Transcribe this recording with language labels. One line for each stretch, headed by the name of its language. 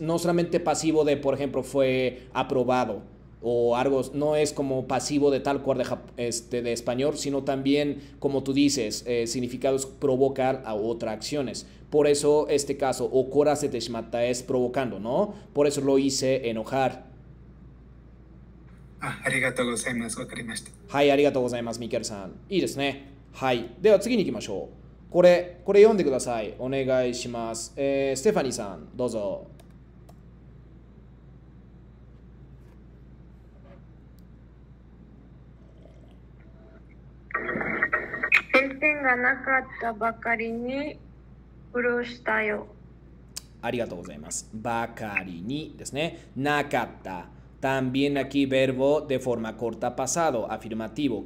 Spanish: No solamente pasivo de, por ejemplo, fue aprobado o algo, no es como pasivo de tal cual de español, sino también, como tú dices, significado es provocar a otras acciones. Por eso este caso, o
Japanese: Okorasete shimatta
Spanish: es provocando, ¿no? Por eso lo hice enojar.
Japanese: Ah, ありがとうございます。わかりました。 Hai, arigatou gozaimasu, Mikeru-san. いいですね。はい。では次に行きましょう。これ読んでください。お願いします。ステファニーさん、どうぞ。点がなかったばかりに苦労したよ。ありがとうございます。ばかりにですね。なかった。
Spanish: También aquí verbo de forma corta pasado, afirmativo.